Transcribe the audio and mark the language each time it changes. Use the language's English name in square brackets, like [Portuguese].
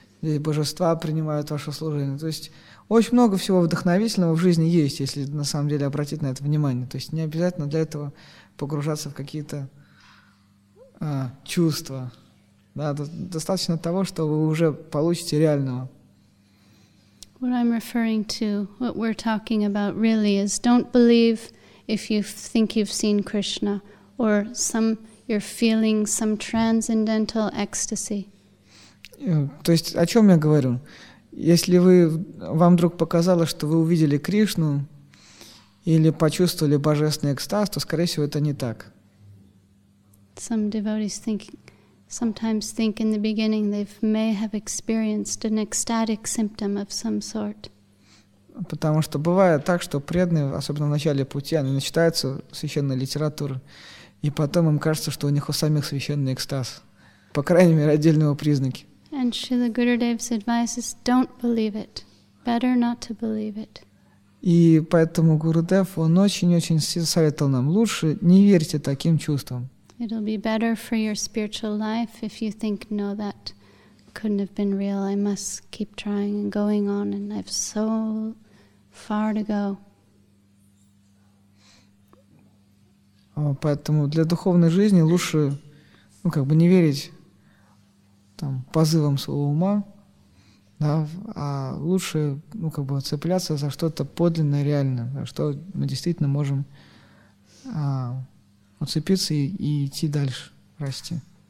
[Russian] Здесь божества принимают ваше служение. То есть очень много всего вдохновительного в жизни есть, если на самом деле обратить на это внимание. То есть не обязательно для этого погружаться в какие-то чувства. Да, достаточно того, что вы уже получите реального. [English] What I'm referring to, what we're talking about really is don't believe if you think you've seen Krishna or some you're feeling some transcendental ecstasy. [Russian] То есть о чем я говорю? Если вам вдруг показалось, что вы увидели Кришну или почувствовали божественный экстаз, то, скорее всего, это не так. [English] Some devotees sometimes think in the beginning they may have experienced an ecstatic symptom of some sort. [Russian] Потому что бывает так, что преданные, особенно в начале пути, они начитаются священной литературы, и потом им кажется, что у них у самих священный экстаз. По крайней мере, отдельные его признаки. [English] And Srila Gurudev's advice is don't believe it. Better not to believe it. [Russian] И поэтому Гурудев, он очень-очень советовал нам, лучше не верьте таким чувствам. [English] It'll be better for your spiritual life if you think, no, that couldn't have been real. I must keep trying and going on, and I've so far to go. [Russian] Поэтому для духовной жизни лучше, ну, как бы не верить там позывам своего ума, да, а лучше, ну, как бы цепляться за что-то подлинное, реальное, за что мы действительно можем уцепиться и идти дальше, расти.